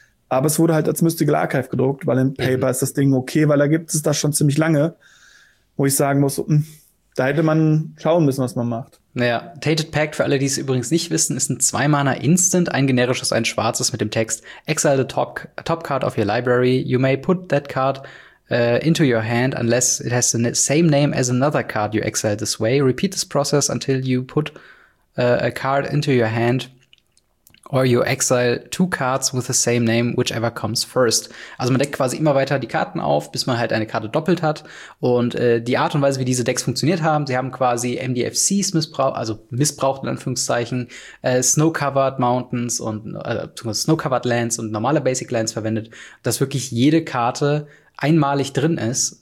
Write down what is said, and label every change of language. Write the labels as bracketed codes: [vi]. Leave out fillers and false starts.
[de] Aber es wurde halt als Mystical Archive gedruckt, weil im Paper ist das Ding okay, weil da gibt es das schon ziemlich lange, wo ich sagen muss, da hätte man schauen müssen, was man macht. Naja, Tainted Pact, für alle, die es übrigens nicht wissen, ist ein 2-Mana-Instant, ein generisches, ein schwarzes mit dem Text [en] Exile the top card of your library. You may put that card into your hand unless it has the same name as another card you exile this way. Repeat this process until you put a card into your hand or you exile two cards with the same name, whichever comes first. [de] Also man deckt quasi immer weiter die Karten auf, bis man halt eine Karte doppelt hat. Und die Art und Weise, wie diese Decks funktioniert haben, sie haben quasi MDFCs missbraucht in Anführungszeichen, Snow-Covered Mountains und Snow-Covered Lands und normale Basic Lands verwendet, dass wirklich jede Karte einmalig drin ist.